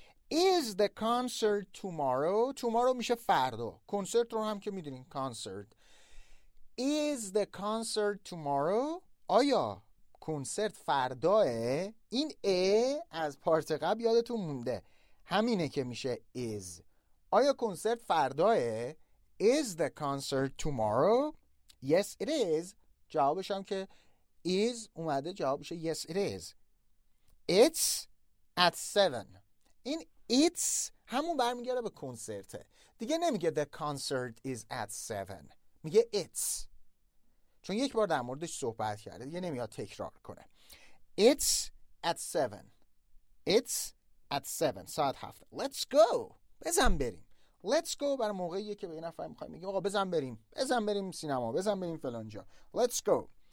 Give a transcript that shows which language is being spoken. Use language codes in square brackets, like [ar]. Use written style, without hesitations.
[en] Is the concert tomorrow? [fa] Tomorrow میشه فردا. کنسرت رو هم که میدونین concert. [en] Is the concert tomorrow? [fa] آیا کنسرت فرداه؟ این از پارت قبل یادتون مونده. همینه که میشه is. آیا کنسرت فرداه؟ [en] Is the concert tomorrow? Yes, it is. [fa] جوابش هم که is اومده جواب میشه [en] yes, it is. It's at 7. [fa] این it's همون برمیگره به کنسرته. دیگه نمیگه [en] the concert is at 7. [fa] میگه it's. چون یک بار در موردش صحبت کرده دیگه نمیاد تکرار کنه. [en] It's at 7. It's at 7. [fa] ساعت 7. [en] Let's go. [fa] بزن بریم. [en] Let's go [fa] بر موقعیه که به یه نفر میخوایم میگه آقا بزن بریم. بزن بریم سینما. بزن بریم فلانجا. [en] Let's go.